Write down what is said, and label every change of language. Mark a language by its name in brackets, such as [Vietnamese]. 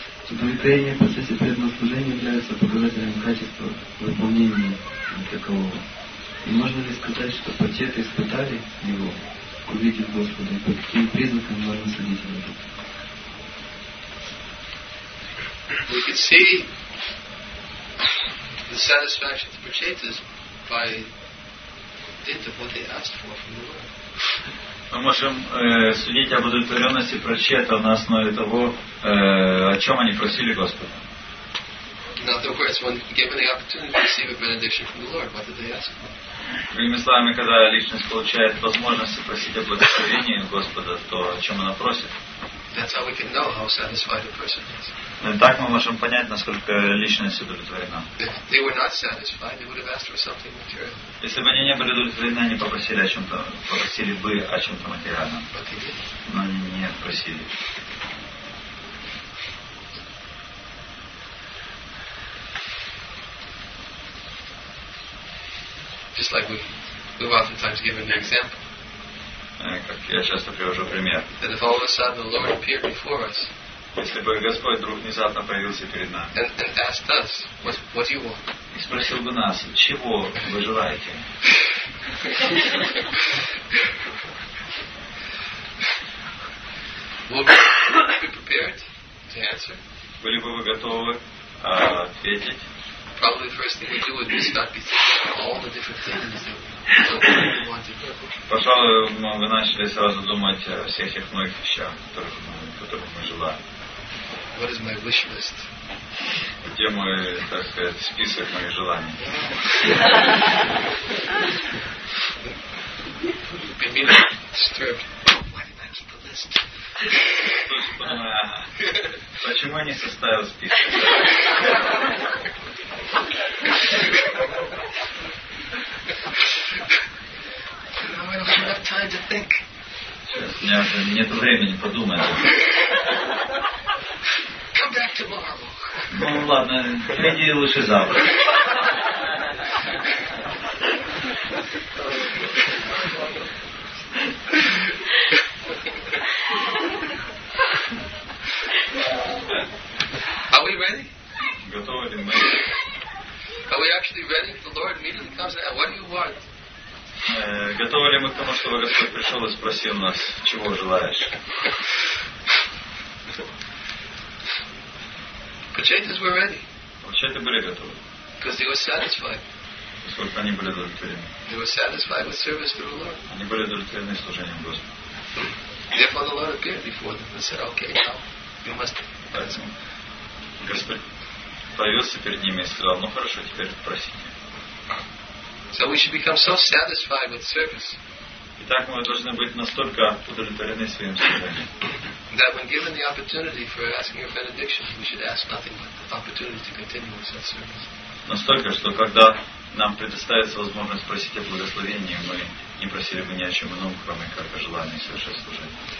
[Russian] Удовлетворение в процессе преданного служения является показателем качества выполнения такового. И можно ли сказать, что Прачеты испытали его, увидев Господа, и по каким признакам можно следить его? [English] We could see the satisfaction of the prachetas by dint of what they asked for from the Lord. [Russian] Мы можем судить об удовлетворенности прачета на основе того, о чем они просили Господа. [English] In other words, when given the opportunity to receive a benediction from the Lord, what did they ask for? [Russian] Другими словами, когда личность получает возможность просить о благословении Господа, то о чем она просит? [English] That's how we can know how satisfied a person is. [Russian] Так мы можем понять, насколько личность удовлетворена. [English] They were not satisfied, they would have asked for something material. [Russian] Если бы они не были удовлетворены, они попросили о чем-то, попросили бы о чем-то материальном. [English] But they didn't. [Russian] Но они не просили. [English] Just like we've oftentimes given an example. [Russian] Как я часто привожу пример. [English] That if all of a sudden the Lord appeared before us. [Russian] Если бы Господь вдруг внезапно появился перед нами. [English] And asked us, what do you want? [Russian] И спросил бы нас, чего вы желаете? [English] Would you be prepared to answer? [Russian] Были бы вы готовы ответить? [English] Probably the first thing we do would be start to think about all the different things that we want to do. [Russian] Пожалуй, мы бы начали сразу думать о всех тех многих вещах, которых мы желаем. [English] What is my wish list? [Russian] Где мой, так сказать, список моих желаний? [English] Be disturbed. Why did I keep a list? [Russian] Почему я не составил список? [English] Now I don't have time to think. [Russian] Сейчас нет времени подумать. [English] Come back tomorrow. [Russian] Ну ладно, приди лучше завтра. [English] Are we ready? [Russian] Готовы ли мы? [English] Are we actually ready if the Lord immediately comes and asks, what do you want? [Russian] Готовы ли мы к тому, чтобы Господь пришел и спросил нас, чего желаешь? Почему мы [English] ready? [Russian] Почему были готовы? [English] Because they were satisfied. [Russian] Поскольку они были удовлетворены. [English] They were satisfied with service to the Lord. [Russian] Они были удовлетворены служением Господу. [English] Therefore the Lord appeared before them and said, okay, now you must. [Russian] Поэтому Господь появился перед ними и сказал, ну хорошо, теперь просите. [English] So we should become so satisfied with service. [Russian] Итак, мы должны быть настолько удовлетворены своим служением. [English] That when given the opportunity for asking a benediction, we should ask nothing but the opportunity to continue with that service. [Russian] Настолько, что когда нам предоставится возможность просить о благословении, мы не просили бы ни о чем ином, кроме как о желании совершать служение.